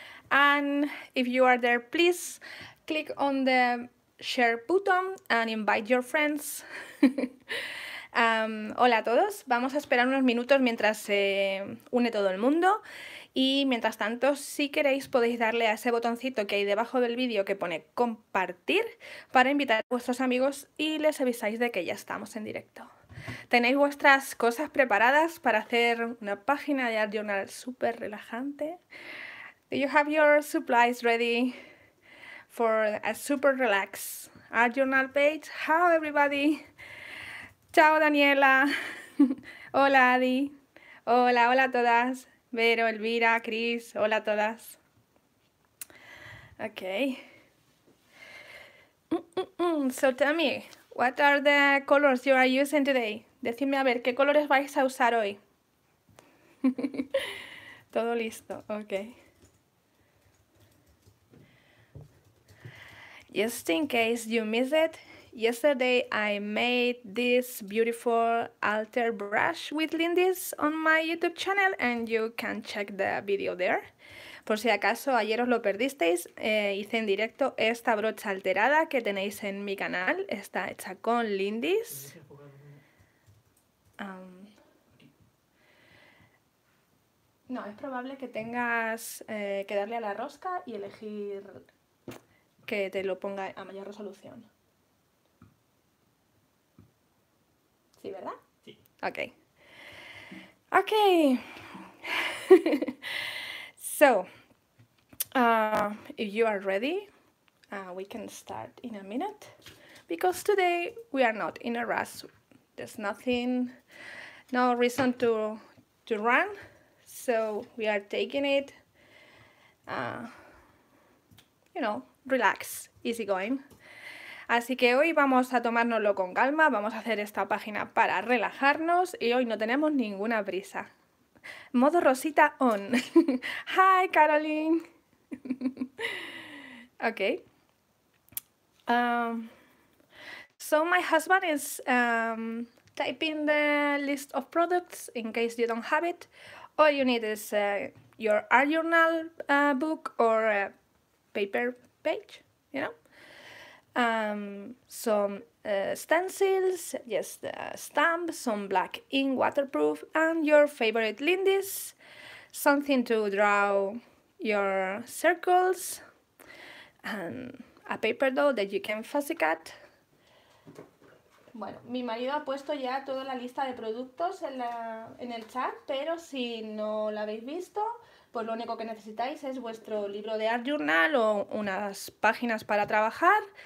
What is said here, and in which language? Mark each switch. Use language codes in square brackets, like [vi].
[en] And if you are there, please click on the share button and invite your friends. [es] Hola a todos, vamos a esperar unos minutos mientras se une todo el mundo y mientras tanto, si queréis, podéis darle a ese botoncito que hay debajo del vídeo que pone compartir para invitar a vuestros amigos y les avisáis de que ya estamos en directo. ¿Tenéis vuestras cosas preparadas para hacer una página de art journal súper relajante? [en] Do you have your supplies ready for a super relax art journal page? How everybody? [es] Chao Daniela, hola Adi, hola, hola a todas, Vero, Elvira, Cris, hola a todas. Okay. [en] So tell me, what are the colors you are using today? [es] Decidme a ver, ¿qué colores vais a usar hoy? Todo listo, okay. [en] Just in case you miss it, yesterday I made this beautiful altar brush with Lindy's on my YouTube channel and you can check the video there. [es] Por si acaso ayer os lo perdisteis, hice en directo esta brocha alterada que tenéis en mi canal. Está hecha con Lindy's. No, es probable que tengas que darle a la rosca y elegir que te lo ponga a mayor resolución. ¿Sí, verdad? Sí. [en] Okay. Okay. So, if you are ready, we can start in a minute because today we are not in a rush. There's nothing, no reason to run. So we are taking it, you know, relax, easy going. [es] Así que hoy vamos a tomárnoslo con calma, vamos a hacer esta página para relajarnos y hoy no tenemos ninguna prisa. Modo Rosita on. [en] Hi, [es] Caroline. [en] Okay. So my husband is typing the list of products in case you don't have it. All you need is your art journal book or a paper page, you know? Some stencils, yes, the stamp, some black ink waterproof, and your favorite Lindy's, something to draw your circles, and a paper doll that you can fussy cut. [es] Bueno, mi marido ha puesto ya toda la lista de productos en, en el chat, pero si no la habéis visto, pues lo único que necesitáis es vuestro libro de art journal o unas páginas para trabajar.